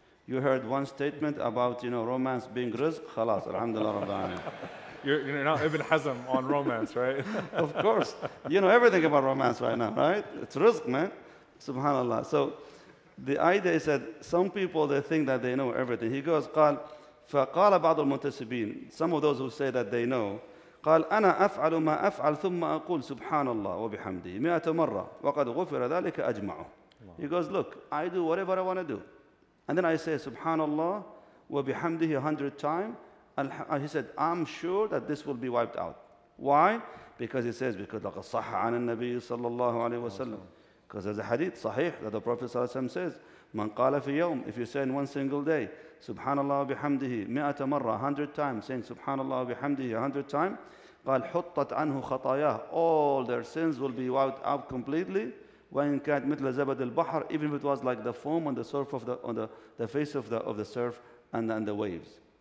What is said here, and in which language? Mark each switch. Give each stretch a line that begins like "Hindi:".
English: You heard one statement about, you know, romance being rizq, khalas, alhamdulillah rabbil alamin. You're not Ibn Hazm on romance, right? Of course. You know everything about romance right now, right? It's rizq, man. Subhanallah. So the idea is that some people, they think that they know everything. He goes, قال,
Arabic: فقال بعض المنتسبين, some of those who say that they know, قال أنا أفعل ما أفعل ثم أقول سبحان الله وبحمده 100 مرة وقد غفر ذلك أجمعه.
English: Wow. He goes, look, I do whatever I want to do, and then I say سبحان الله وبحمده 100 times. He said, I'm sure that this will be wiped out. Why?
Arabic: Because he says, because لقد صح عن النبي صلى الله عليه وسلم.
English: Because there's a hadith, صحيح, that the Prophet صلى الله عليه وسلم says, من قال في يوم, if you say in one single day, سبحان الله وبحمده 100 مرة, 100 times, saying سبحان الله وبحمده 100 times, قال حطت عنه خطاياه, all their sins will be wiped out completely, وإن كانت مثل زبد البحر, even if it was like the foam on the surf of the face of the surf and the waves.